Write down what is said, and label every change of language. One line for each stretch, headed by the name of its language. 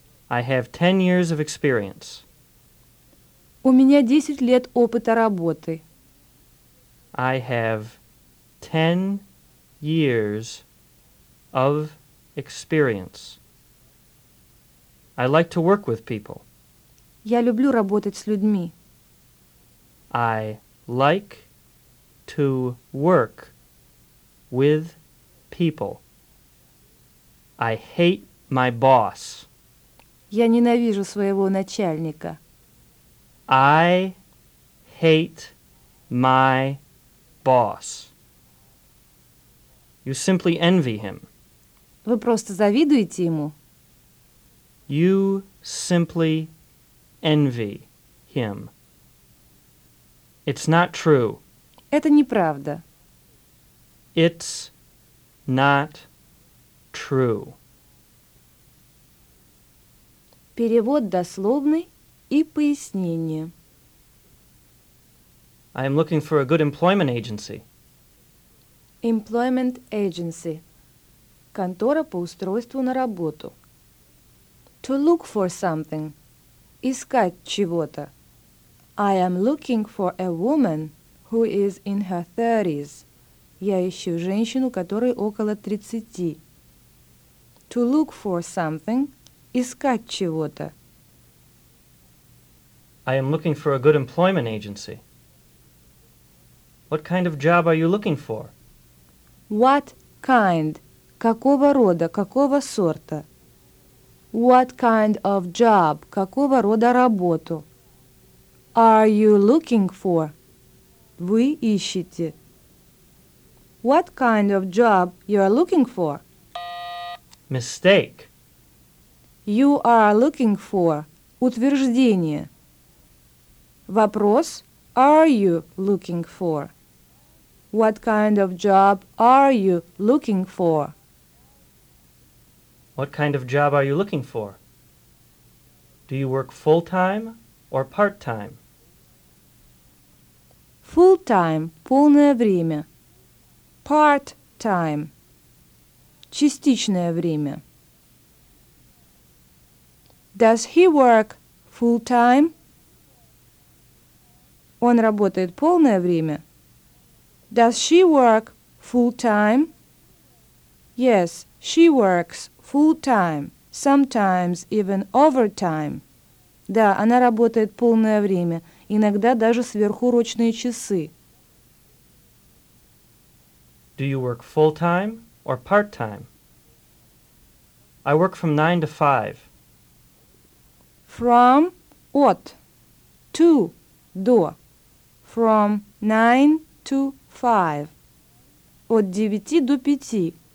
English: I have 10 years of experience.
Russian: У меня 10 лет опыта работы.
English: I have 10 years of experience. I like to work with people.
Russian: Я люблю работать с людьми.
English: I like to work with people. I hate my boss.
Russian: Я ненавижу своего начальника.
English: I hate my boss. You simply envy him.
Russian: Вы просто завидуете ему.
English: You simply envy him. It's not true.
Russian: Это неправда.
English: It's not true.
Russian: Перевод дословный и пояснение.
English: I am looking for a good employment agency. Employment agency.
Russian: Контора по устройству на работу.
English: To look for something.
Russian: Искать чего-то.
English: I am looking for a woman who is in her 30s.
Russian: Я ищу женщину, которой около 30.
English: To look for something.
Russian: Искать чего-то.
English: I am looking for a good employment agency. What kind of job are you looking for? What kind?
Russian: Какого рода, какого сорта?
English: What kind of job?
Russian: Какого рода работу?
English: Are you looking for?
Russian: Вы ищете.
English: What kind of job you are looking for? Mistake. You are looking for.
Russian: Утверждение. Вопрос.
English: Are you looking for? What kind of job are you looking for? What kind of job are you looking for? Do you work full-time or part-time?
Russian: Full-time – полное время. Part-time – частичное время.
English: Does he work full-time?
Russian: Он работает полное время?
English: Does she work full-time? Yes, she works full-time, sometimes even overtime.
Russian: Да, она работает полное время, иногда даже сверхурочные часы.
English: Do you work full-time or part-time? I work from 9 to 5. From what? To, до. From 9 to 5.
Russian: От 9 до 5.